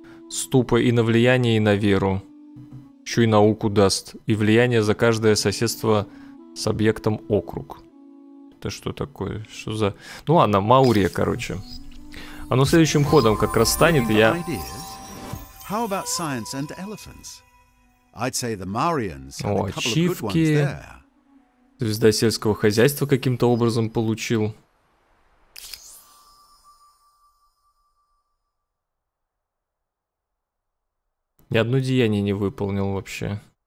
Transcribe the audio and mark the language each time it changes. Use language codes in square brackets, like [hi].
[ru] Ступа и на влияние, и на веру. Еще и науку даст. И влияние за каждое соседство с объектом округ. Это что такое? Что за... Ну ладно, Маурия, короче. Оно следующим ходом как раз станет, и я... [en] How about science and elephants? I'd say the Maurians have a couple of good ones there. [ru] Звезда сельского хозяйства каким-то образом получил. Ни одно деяние не выполнил вообще.